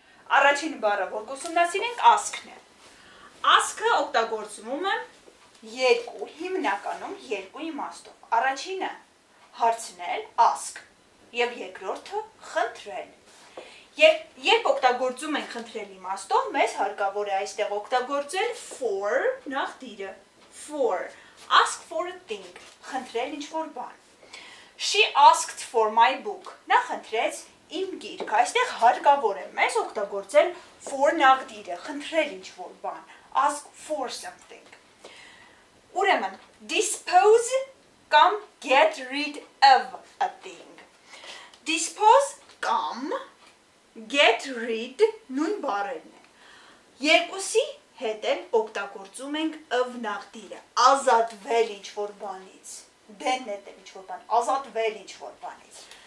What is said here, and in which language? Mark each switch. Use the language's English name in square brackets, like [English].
[Armenian] Առաջին բառը, որ կուսումնասիրենք, ասքն է։ Ասքը օգտագործվում է երկու, հիմնականում երկու իմաստով։ Առաջինը՝ հարցնել, ask, եւ երկրորդը՝ խնդրել։ Երբ օգտագործում ենք խնդրել իմաստով, մեզ հարկավոր է այստեղ օգտագործել for նախտիրը։ For. [English] Ask for a thing, [Armenian] խնդրել ինչ-որ բան։ [English] She asked for my book. [Armenian] Նա խնդրեց իմ գիրք, այստեղ հարկավոր է մեզ օգտագործել for նախտիրը, խնդրել ինչ-որ բան, [English] ask for something։ [Armenian] Ուրեմն, dispose կամ [English] get rid of a thing։ [Armenian] Dispose կամ get rid նույն բառերն են։ Երկուսի հետ էլ օգտագործում ենք of նախտիրը, ազատվել ինչ-որ բանից, դենետել ինչ-որ բան, ազատվել ինչ-որ բանից։